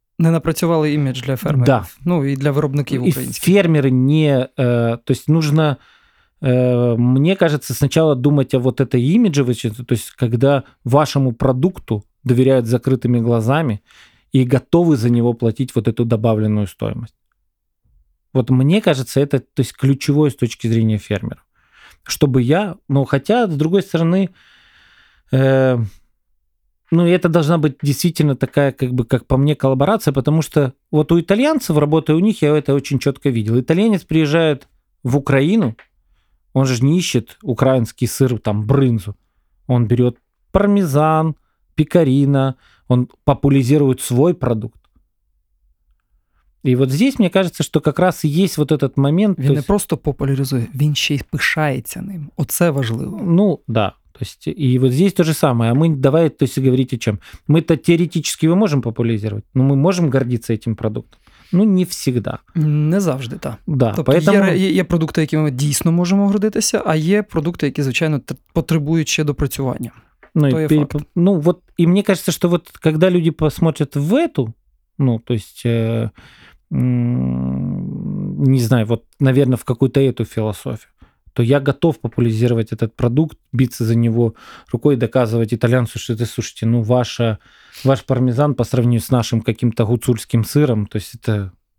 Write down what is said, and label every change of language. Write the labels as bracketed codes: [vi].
[uk] напрацювали імідж для фермерів. [ru] Да. [uk] Ну, і для виробників українських. І фермери не... [ru] То есть нужно, мне кажется, сначала думать о вот этой имиджевой, то есть когда вашему продукту доверяют закрытыми глазами и готовы за него платить вот эту добавленную стоимость. Вот мне кажется, это, то есть, ключевое с точки зрения фермера. Чтобы я... Ну, хотя, с другой стороны... Ну, это должна быть действительно такая, как бы, как по мне, коллаборация, потому что вот у итальянцев, работая у них, я это очень четко видел. Итальянец приезжает в Украину, он же не ищет украинский сыр, там, брынзу. Он берет пармезан, пекарина, он популяризирует свой продукт. И вот здесь, мне кажется, что как раз и есть вот этот момент. [uk] Він не просто популяризує, він ще й пишається ним. Оце важливо. [ru] Ну, да. То есть, и вот здесь то же самое. А мы, давай, то есть, говорить о чем. Мы-то теоретически его можем популяризировать, но мы можем гордиться этим продуктом. Ну, не всегда. [uk] Не завжди, так. [ru] Да, [uk] тобто [ru] поэтому... [uk] є продукти, якими ми дійсно можемо гордитися, а є продукти, які, звичайно, потребують ще допрацювання. [ru] Ну, ну, вот, и мне кажется, что вот когда люди посмотрят в эту, ну, то есть, не знаю, вот, наверное, в какую-то эту философию, то я готов популяризировать этот продукт, биться за него рукой, доказывать итальянцу, что это, слушайте, ну, ваш пармезан по сравнению с нашим каким-то гуцульским сыром, то есть это...